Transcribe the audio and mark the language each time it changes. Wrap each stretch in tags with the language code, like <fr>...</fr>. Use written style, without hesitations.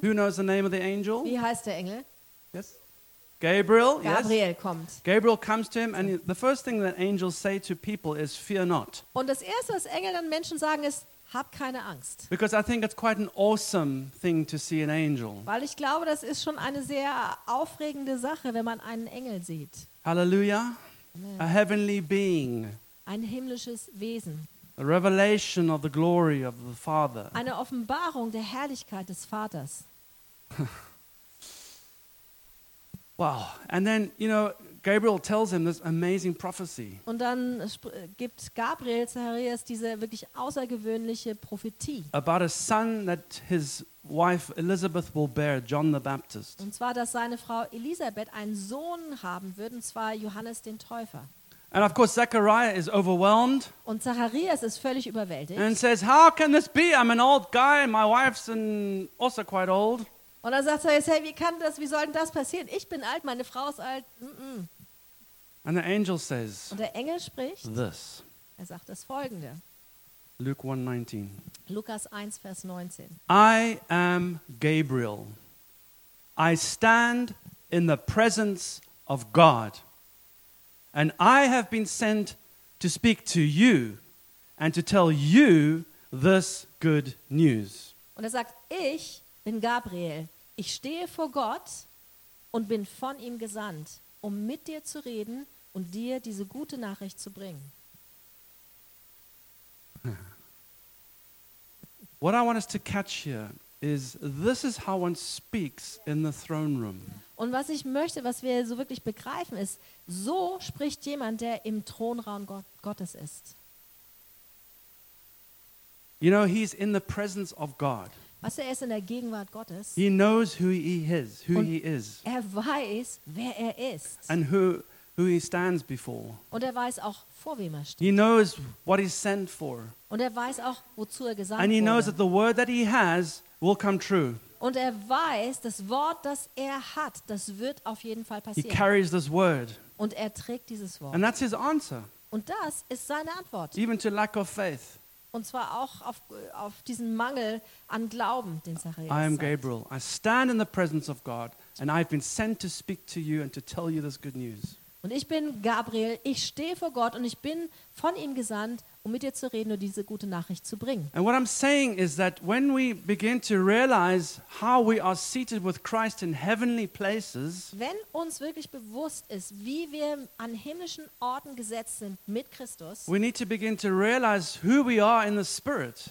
<en>Who knows the name of the angel?</en> <de>Wie heißt der Engel?</de> <en>Yes. Gabriel. Gabriel yes.</en> <de>Kommt.</de> <en>Gabriel comes to him and the first thing that angels say to people is fear not.</en> <de>Und das erste, was Engel dann Menschen sagen, ist hab keine Angst.</de> <en>Because I think it's quite an awesome thing to see an angel.</en> <de>Weil ich glaube, das ist schon eine sehr aufregende Sache, wenn man einen Engel sieht.</de> <en>Hallelujah. Amen. A heavenly being.</en> <de>Ein himmlisches Wesen.</de> <en>A revelation of the glory of the Father.</en> <de>Eine Offenbarung der Herrlichkeit des Vaters. Wow.</de> <en>And then, you know, Gabriel tells him this amazing prophecy.</en> <de>Und dann gibt Gabriel Zacharias diese wirklich außergewöhnliche Prophetie.</de> <en>About a son that his wife Elizabeth will bear, John the Baptist.</en> <de>Und zwar, dass seine Frau Elisabeth einen Sohn haben wird, und zwar Johannes den Täufer.</de> <en>And of course Zechariah is overwhelmed.</en> <de>Und Zacharias ist völlig überwältigt.</de> <en>And says, how can this be? I'm an old guy, my wife's also quite old.</en> <de>Und dann sagt er, hey, wie soll denn das passieren? Ich bin alt, meine Frau ist alt. Mm-mm.</de> <en>And the angel says.</en> <de>Und der Engel spricht.</de> <en>This.</en> <de>Er sagt das folgende.</de> <en>Luke 1:19.</en> <de>Lukas 1 Vers 19.</de> <en>I am Gabriel. I stand in the presence of God. And I have been sent to speak to you and to tell you this good news.</en> <de>Und er sagt, ich bin Gabriel. Ich stehe vor Gott und bin von ihm gesandt, um mit dir zu reden und dir diese gute Nachricht zu bringen.</de> <en>What I want us to catch here is this is how one speaks in the throne room.</en> <de>Und was ich möchte, was wir so wirklich begreifen, ist, so spricht jemand, der im Thronraum Gottes ist.</de> <en>You know, he's in the presence of God.</en> <de>Weißt du, er ist in der Gegenwart Gottes.</de> <en>He knows who he is, who he is.</en> <de>Er weiß, wer er ist.</de> <en>And who he stands before.</en> <de>Und er weiß auch, vor wem er steht.</de> <en>He knows what he's sent for.</en> <de>Und er weiß auch, wozu er gesandt wurde.</de> <en>And he knows that the word that he has will come true.</en> <de>Und er weiß, das Wort, das er hat, das wird auf jeden Fall passieren.</de> <en>He carries this word.</en> <de>Und er trägt dieses Wort.</de> <en>And that's his answer.</en> <de>Und das ist seine Antwort.</de> <en>Even to lack of faith.</en> <de>Und zwar auch auf diesen Mangel an Glauben, den Zacharias sagt.</de> <en>I am Gabriel. I stand in the presence of God and I've been sent to speak to you and to tell you this good news.</en> <de>Und ich bin Gabriel, ich stehe vor Gott und ich bin von ihm gesandt, um mit dir zu reden und diese gute Nachricht zu bringen.</de> <en>And what I'm saying is that when we begin to realize how we are seated with Christ in heavenly places,</en> <de>wenn uns wirklich bewusst ist, wie wir an himmlischen Orten gesetzt sind mit Christus,</de> <en>we need to begin to realize who we are in the Spirit.</en>